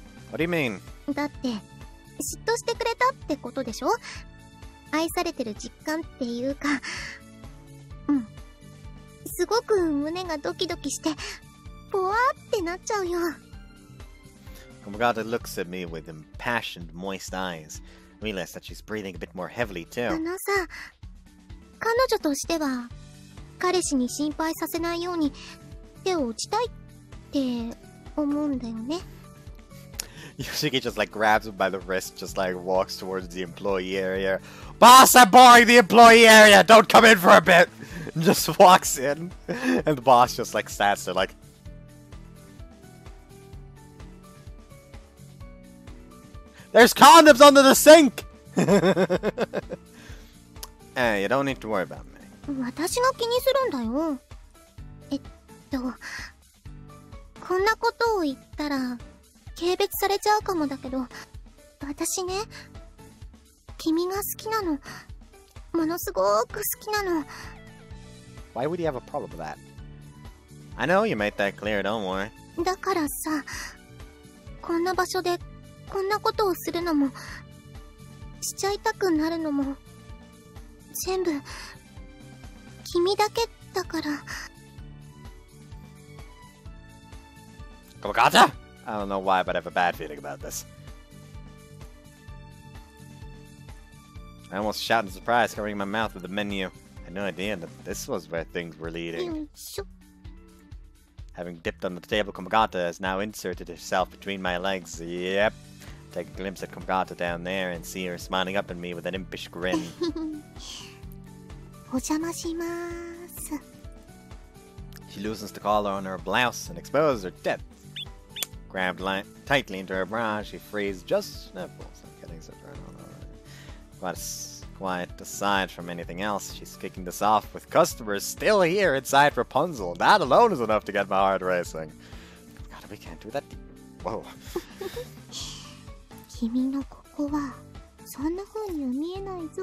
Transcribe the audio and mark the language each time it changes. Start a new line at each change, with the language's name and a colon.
English: What do you mean?
Japanese: だって、嫉妬してくれたってことでしょ？愛されてる実感っていうか、うん。すごく胸がドキドキして、ぽわってなっちゃうよ。
English: Kumagata looks at me with impassioned, moist eyes. Realize that she's breathing a bit more heavily, too.
Japanese: あのさ、彼女としては、彼氏に心配させないように手を打ちたいって思うんだよね。
English: Yuzuki just like grabs him by the wrist, just like walks towards the employee area. Boss, I'm boring the employee area! Don't come in for a bit! And just walks in. And the boss just like stands there like, There's condoms under the sink! Hey, you don't need to worry about me.
Japanese: 私が気にするんだよ。こんなことを言ったら、軽蔑されちゃうかもだけど、私ね、君が好きなの、ものすごーく好きなの。
English: Why would you have a problem with that? I know you made that clear, don't worry.
Japanese: だからさ、こんな場所で、こんなことをするのも、しちゃいたくなるのも、全部、君だけだから。
English: Come on, gotcha! I don't know why, but I have a bad feeling about this. I almost shouted in surprise, covering my mouth with the menu. I had no idea that this was where things were leading. Having dipped under the table, Kumagata has now inserted herself between my legs. Yep. Take a glimpse at Kumagata down there and see her smiling up at me with an impish grin.
Japanese: お邪魔します。
English: She loosens the collar on her blouse and exposes her tits. Grabbed tightly into her bra, she frees just nipples. I'm getting so turned on already. Quite aside from anything else, she's kicking this off with customers still here inside Rapunzel. That alone is enough to get my heart racing. God, we can't do that. Whoa.
Japanese: 君のここはそんな風には見えないぞ。